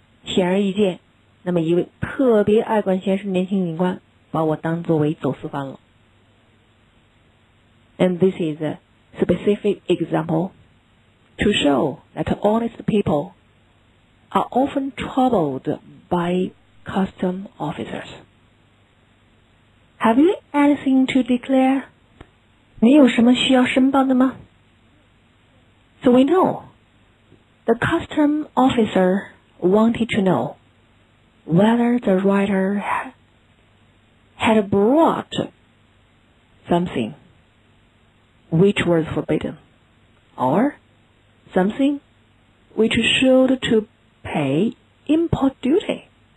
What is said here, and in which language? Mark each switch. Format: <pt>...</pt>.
<zh>显而易见，那么一位特别爱管闲事的年轻警官把我当作为走私犯了。</zh> <en>And this is a specific example to show that honest peopleare often troubled by custom officers. Have you anything to declare?</en> <zh>你有什么需要申报的吗？</zh> <en>So we know, the custom officer wanted to know whether the writer had brought something which was forbidden, or something which should to pay import duty.</en>